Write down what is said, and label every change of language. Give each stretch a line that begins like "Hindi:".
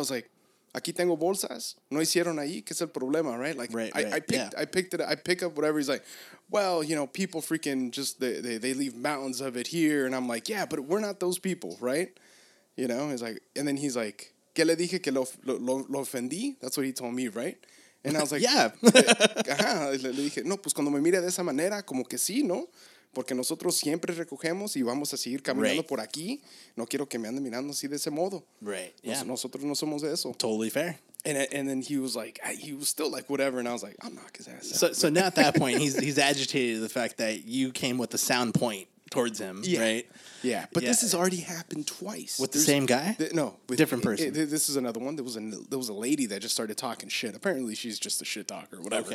English: I was like,
Spanish: aquí tengo bolsas. No hicieron ahí. ¿Qué es el problema?
English: Right? Like, I pick up whatever. He's like, well, you know, people freaking just, they leave mountains of it here. And I'm like, yeah, but we're not those people. Right? You know, he's like, and then he's like,
Spanish: ¿qué le dije que lo ofendí?
English: That's what he told me, right? And I was like,
Spanish: le dije, no, pues cuando me mira de esa manera, como que sí, ¿no? Porque nosotros siempre recogemos y vamos a seguir caminando por aquí. No quiero que me ande mirando así de ese modo.
English: Right,
Spanish: Nosotros no somos de eso.
English: Totally fair. And then he was like, he was still like, whatever. And I was like, I'll knock his ass out. So now at that point, he's agitated at the fact that you came with a sound point towards him, right? Yeah, but this has already happened twice. With the same guy? Different person. This is another one. There was a lady that just started talking shit. Apparently, she's just a shit talker, whatever.